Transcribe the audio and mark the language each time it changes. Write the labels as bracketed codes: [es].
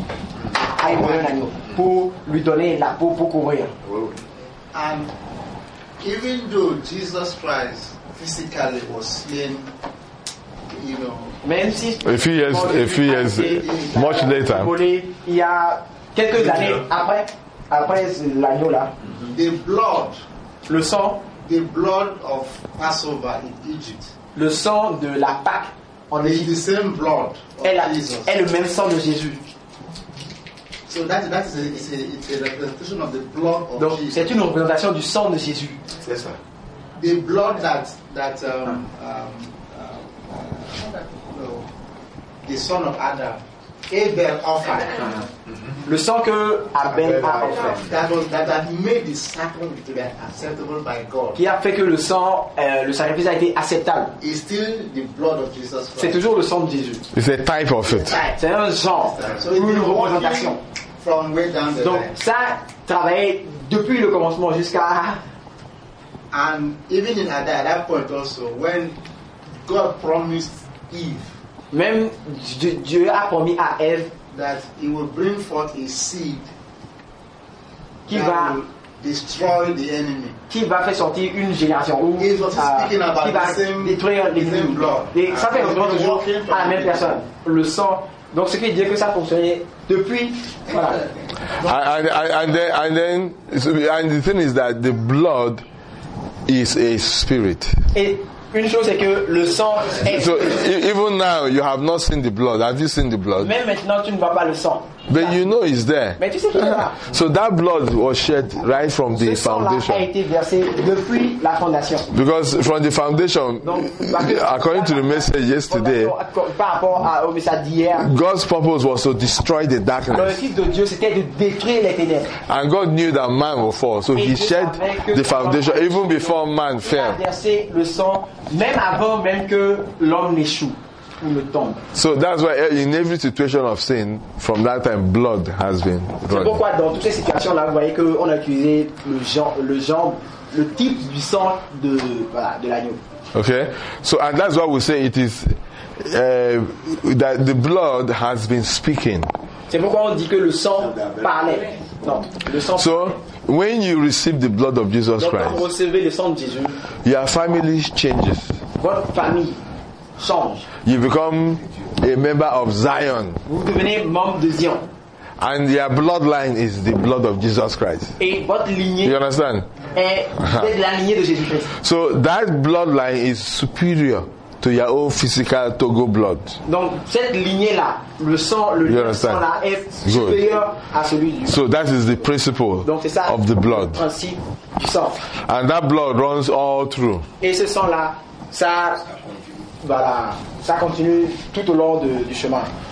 [fr] A tué un agneau pour lui donner la peau pour couvrir. [en] And even though Jesus Christ physically was slain, you know, [fr] même si [en] a few years much later, [fr] il y a quelques années après l'agneau là, [en] the blood, [fr] le sang, [en] the blood of Passover in Egypt, [fr] le sang de la Pâque. On est [en] the same blood of Jesus. [fr] Est le même sang de Jésus. [en] So that's a representation of the blood of [fr] donc, [en] Jesus. [fr] C'est une représentation du sang de Jésus. C'est ça. [en] The blood the son of Adam, Abel offered. Mm-hmm. [fr] Le sang que Abel a offert. [en] That made the sacrifice to be acceptable by God. [fr] Qui a fait que le sacrifice a été acceptable. [en] It's still the blood of Jesus Christ. [fr] C'est toujours le sang de Jésus. [en] It's a type of it. [fr] C'est un genre. [en] So [fr] une représentation. [en] From way down the [fr] donc [en] line. [fr] Ça travaillait depuis le commencement jusqu'à. [en] And even in at that point also, when God promised Eve. [fr] Même Dieu a promis à Eve [en] that he will bring forth a seed [fr] qui va [en] destroy the enemy. [fr] Qui va faire sortir une génération où qui va détruire l'ennemi. Et ça fait vraiment toujours à la même personne. Le sang. Donc ce qui dit que ça fonctionnait depuis. [en] And the thing is that the blood is a spirit. [fr] Et une chose c'est que le sang est. [en] So even now you have not seen the blood. Have you seen the blood? [fr] Même maintenant tu ne vois pas le sang. [en] But you know it's there. [fr] Mais tu sais qu'il est là. [en] So that blood was shed right from the foundation. [fr] Ce sang a été versé depuis la fondation. [en] Because from the foundation, according to the message yesterday, [fr] par rapport au message d'hier, [en] God's purpose was to destroy the darkness. [fr] L'objectif de Dieu c'était de détruire les ténèbres. [en] And God knew that man will fall, so He shed the foundation even before man fell. [fr] Il a versé le sang même avant même que l'homme n'échoue. [en] So that's why in every situation of sin, from that time, blood has been. [fr] C'est pourquoi dans toutes ces situations-là, vous voyez qu'on a utilisé le type du sang de l'agneau. [en] Okay. So and that's why we say it is that the blood has been speaking. [fr] C'est pourquoi on dit que le sang parlait. Non, le sang. [en] So when you receive the blood of Jesus Christ, [fr] donc quand vous recevez le sang de Jésus, [en] your family changes. [fr] Votre famille. [en] You become a member of Zion. [fr] Vous devenez membre de Zion. [en] And your bloodline is the blood of Jesus Christ. [fr] Et votre lignée. [en] You understand? [fr] Est la lignée de Jésus Christ. [en] So that bloodline is superior to your own physical Togo blood. [fr] Donc cette lignée là, le sang, là est supérieur à celui du. [en] So that is the principle. [fr] Donc c'est ça, [en] of the blood. [fr] Le principe du sang. [en] And that blood runs all through. [fr] Et ce sang là, ça. Voilà, ça continue tout au long du chemin.